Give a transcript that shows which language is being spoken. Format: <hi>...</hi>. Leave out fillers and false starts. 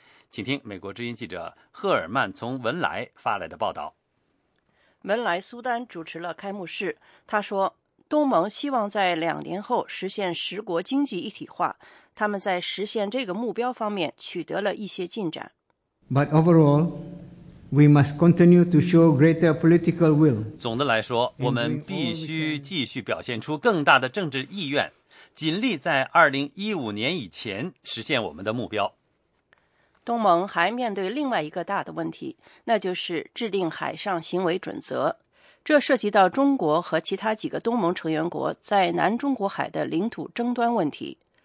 <zh>请听美国之音记者赫尔曼从文莱发来的报道。文莱苏丹主持了开幕式，他说东盟希望在两年后实现十国经济一体化，他们在实现这个目标方面取得了一些进展。</zh> <en>But overall, we must continue to show greater political will.</en> <zh>总的来说，我们必须继续表现出更大的政治意愿，尽力在2015年以前实现我们的目标。东盟还面对另外一个大的问题，那就是制定海上行为准则。这涉及到中国和其他几个东盟成员国在南中国海的领土争端问题。</zh>